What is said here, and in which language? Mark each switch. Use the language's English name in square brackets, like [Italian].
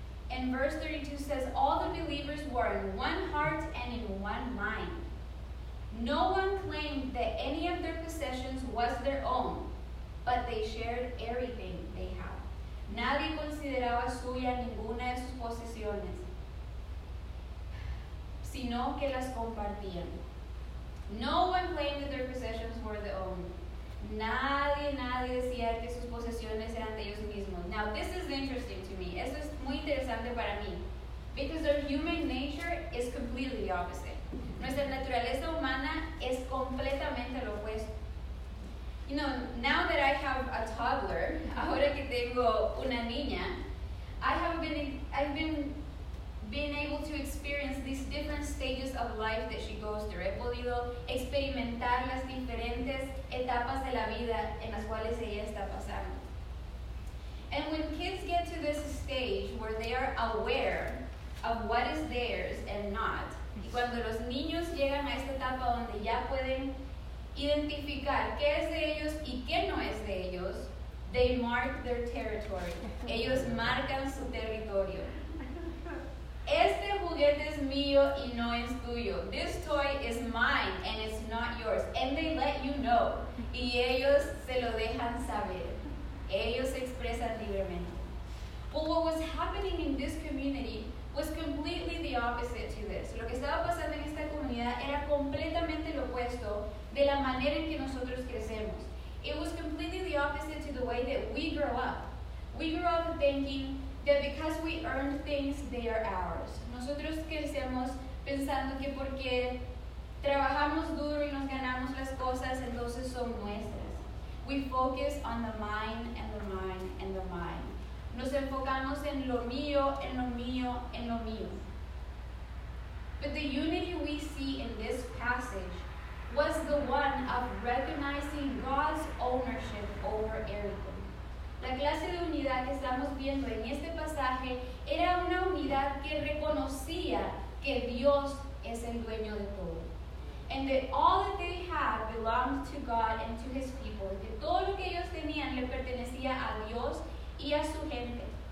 [English] And verse 32 says, all the believers were in one heart and in one mind. No one claimed that any of their possessions was their own, but they shared everything they had. [Spanish] Nadie consideraba suya ninguna de sus posesiones, sino que las compartían. [English] No one claimed that their possessions were their own. [Spanish] Nadie decía que sus posesiones eran de ellos mismos. [English] Now, this is interesting to me. [Spanish] Esto es muy interesante para mí. [English] Because their human nature is completely the opposite. [Spanish] Nuestra naturaleza humana es completamente lo opuesto. [English] You know, now that I have a toddler, [Spanish] ahora que tengo una niña, [English] I've been able to experience these different stages of life that she goes through. [Spanish] He podido experimentar las diferentes etapas de la vida en las cuales ella está pasando. [English] And when kids get to this stage where they are aware of what is theirs and not, [Spanish] y cuando los niños llegan a esta etapa donde ya pueden identificar qué es de ellos y qué no es de ellos, [English] they mark their territory. [Spanish] Ellos marcan su territorio. Este juguete es mío y no es tuyo. [English] This toy is mine and it's not yours. And they let you know. [Spanish] Y ellos se lo dejan saber. Ellos se expresan libremente. [English] But what was happening in this community was completely the opposite to this. [Spanish] Lo que estaba pasando en esta comunidad era completamente lo opuesto de la manera en que nosotros crecemos. [English] It was completely the opposite to the way that we grow up. We grow up thinking that because we earn things, they are ours. [Spanish] Nosotros crecemos pensando que porque trabajamos duro y nos ganamos las cosas, entonces son nuestras. [English] We focus on the mine and the mine and the mine. [Spanish] Nos enfocamos en lo mío, en lo mío, en lo mío. [English] But the unity we see in this passage was the one of recognizing God's ownership over everything. [Spanish] La clase de unidad que estamos viendo en este pasaje era una unidad que reconocía que Dios es el dueño de todo. [English] And that all that they had belonged to God and to his people. [Spanish] Que todo lo que ellos tenían le pertenecía a Dios y a su gente.